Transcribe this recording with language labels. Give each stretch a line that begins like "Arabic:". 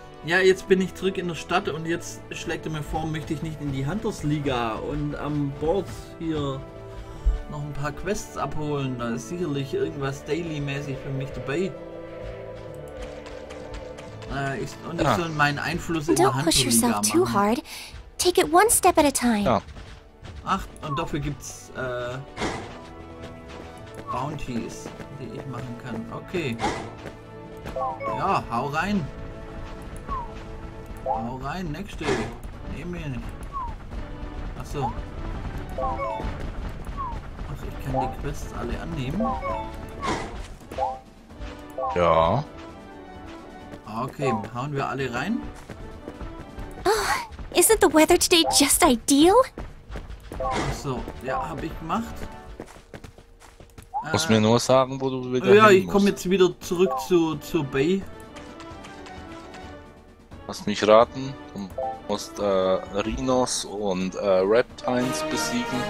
German: Ja, jetzt bin ich zurück in der Stadt und jetzt schlägt er mir vor, möchte ich nicht in die Hunters Liga und am Board hier noch ein paar Quests abholen. Da ist sicherlich irgendwas Daily-mäßig für mich dabei. Ich soll meinen Einfluss in der Hunters Liga machen.
English: Don't push yourself too hard. Take it one step at a time.
German: Ja. Ach, und dafür gibt's Bounties, die ich machen kann. Okay. Ja, hau rein. Hau rein, nächste. Nehmen wir nicht. Achso. Ach, ich kann die Quests alle annehmen. Ja. Okay, hauen wir alle rein.
English: Isn't the weather today just ideal?
German: Achso, ja, hab ich gemacht. Muss mir nur sagen, wo du wieder hin musst. Ja, ich komme jetzt wieder zurück zur Bay. Lass mich raten, du musst Rhinos und Reptines besiegen.